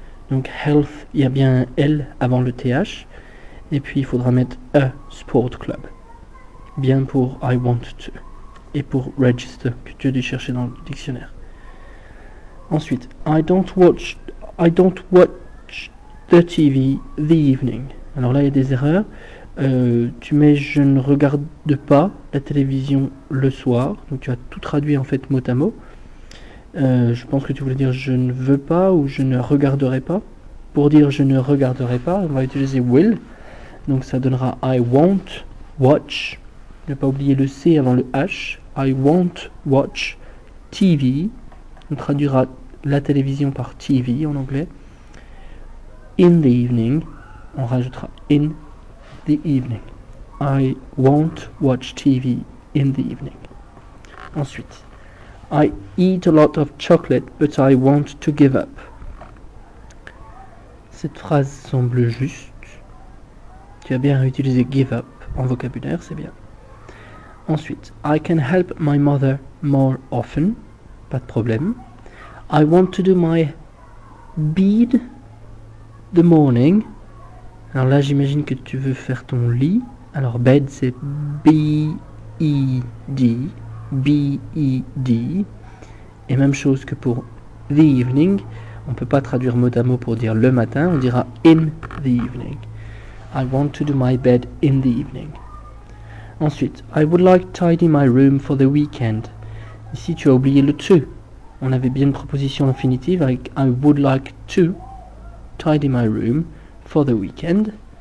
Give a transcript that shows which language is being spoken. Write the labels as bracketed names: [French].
[French] Donc, health, il y a bien un L avant le TH. Et puis il faudra mettre [English] a sport club. [French] Bien pour [English] I want to. [French] Et pour register que tu as dû chercher dans le dictionnaire. Ensuite, [English] I don't watch the TV the evening. [French] Alors là il y a des erreurs. Tu mets je ne regarde pas la télévision le soir. Donc tu as tout traduit en fait mot à mot. Je pense que tu voulais dire je ne veux pas ou je ne regarderai pas. Pour dire je ne regarderai pas, on va utiliser will. Donc ça donnera [English] I won't watch, [French] ne pas oublier le C avant le H, [English] I won't watch TV, [French] on traduira la télévision par TV en anglais, [English] in the evening, [French] on rajoutera in the evening, [English] I won't watch TV in the evening. [French] Ensuite, [English] I eat a lot of chocolate but I want to give up. [French] Cette phrase semble juste. Tu as bien utilisé [English] give up [French] en vocabulaire, c'est bien. Ensuite, [English] I can help my mother more often. [French] Pas de problème. [English] I want to do my bead the morning. [French] Alors là, j'imagine que tu veux faire ton lit. Alors bed, c'est B-E-D. B-E-D. Et même chose que pour [English] the evening. [French] On ne peut pas traduire mot à mot pour dire le matin. On dira [English] in the evening. I want to do my bed in the evening. [French] Ensuite, [English] I would like to tidy my room for the weekend. [French] Ici, tu as oublié le to. On avait bien une proposition infinitive avec [English] I would like to tidy my room for the weekend.